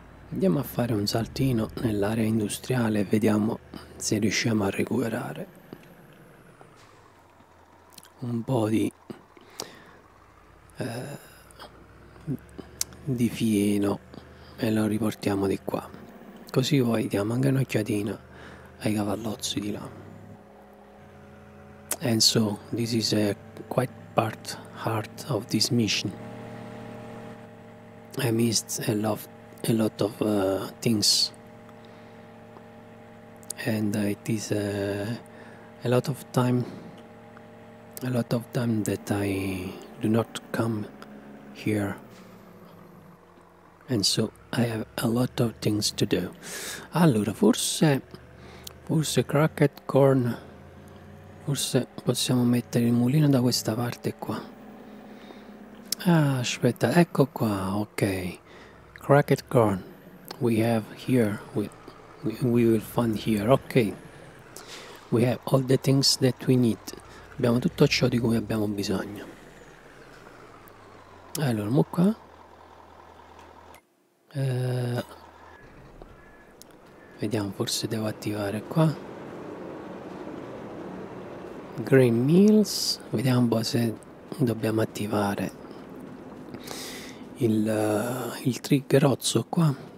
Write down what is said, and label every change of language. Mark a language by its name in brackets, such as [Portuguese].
[Italian] Andiamo a fare un saltino nell'area industriale e vediamo se riusciamo a recuperare un po' di fieno e lo riportiamo di qua. Così poi diamo anche un'occhiatina ai cavallozzi di là. [English] And so, this is a quite part heart of this mission. I missed a lot of things. And it is a lot of time that I do not come here. And so I have a lot of things to do. [Italian] Allora, forse cracked corn. Forse possiamo mettere il mulino da questa parte qua. Ah, aspetta, ecco qua, ok. Cracked corn. [English] We have here, we will find here, ok. We have all the things that we need. [Italian] Abbiamo tutto ciò di cui abbiamo bisogno. Allora, mo qua. Vediamo, forse devo attivare qua. Grain mills, vediamo un po' se dobbiamo attivare il trigger rosso qua.